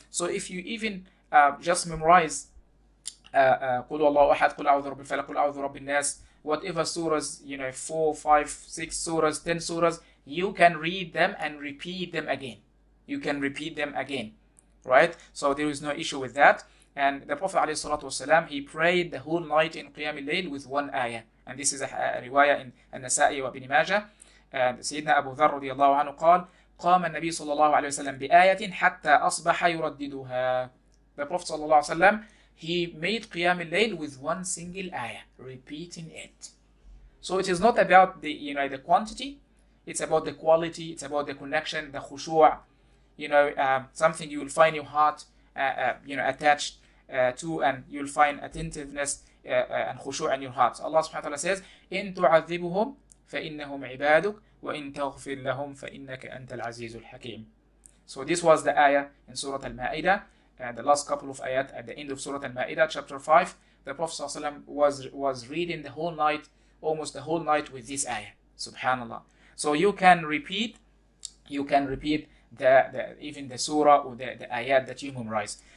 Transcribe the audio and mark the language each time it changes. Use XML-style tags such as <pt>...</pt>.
<en>So if you even just memorize</en> <ar>قُلْ وَاللَّهُ أَحَدْ, قُلْ أَعُوذُ رَبِّ الْفَلَقِ, قُلْ أَعُوذُ رَبِّ النَّاسِ,</ar> <en>whatever surahs, you know, 4, 5, 6 surahs, 10 surahs, you can read them and repeat them again. You can repeat them again, right? So there is no issue with that. And the Prophet</en> <ar>عليه الصلاة والسلام,</ar> <en>he prayed the whole night in Qiyam al-Layl with one ayah. And this is a riwayah in An-Nasa'i wa Ibn Majah. And Sayyidina Abu Dharr radiallahu anhu</en> <ar>قال, قام النبي صلى الله عليه وسلم بآية حتى أصبح يرددها.</ar> <en>The Prophet</en> <ar>صلى الله عليه وسلم,</ar> <en>he made Qiyam al-Layl with one single ayah, repeating it. So it is not about the, you know, the quantity. It's about the quality. It's about the connection, the khushu'ah, you know, something you will find your heart, you know, attached to, and you'll find attentiveness and khushu' in your heart.</en> <ar>Allah subhanahu wa ta'ala says, إِن تُعَذِّبُهُمْ فَإِنَّهُمْ عِبَادُكْ وَإِن تَغْفِرْ لَهُمْ فَإِنَّكَ أَنْتَ الْعَزِيزُ الْحَكِيمُ.</ar> <en>So this was the ayah in Surah Al-Ma'idah, the last couple of ayat at the end of Surah Al-Ma'idah, chapter 5. The Prophet sallallahu alayhi wa sallam was reading the whole night, almost the whole night, with this ayah. Subhanallah. So you can repeat even the surah or the ayat that you memorize.</en>